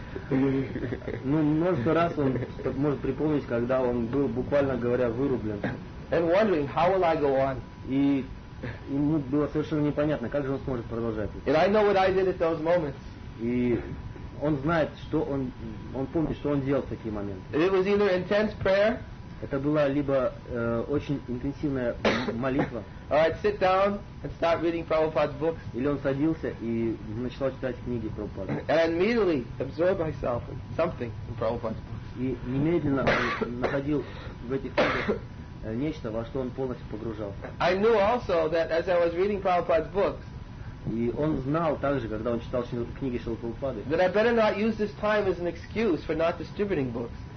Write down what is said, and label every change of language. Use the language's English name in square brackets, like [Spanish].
[Russian] Ну, множество раз он может припомнить, когда он был, буквально говоря, вырублен. [English] And wondering how will I go on? [Russian] И ему было совершенно непонятно, как же он сможет продолжать. [English] And I know what I did at those moments. [Russian] И он знает, что он помнит, что он делал в такие моменты. [English] It was either intense prayer. [Russian] Это была либо очень интенсивная молитва. [English] Or I'd sit down and start reading Prabhupada's books. [Russian] Или он садился и начал читать книги Прабхупады. [English] And I'd immediately absorb myself in something in Prabhupada's books. [Russian] И немедленно он находил в этих книгах нечто, во что он полностью погружался. [English] I knew also that as I was reading Prabhupada's books, [Russian] и он знал также, когда он читал книги Шрилы Прабхупады, [English] that I better not use this time as an excuse for not distributing books.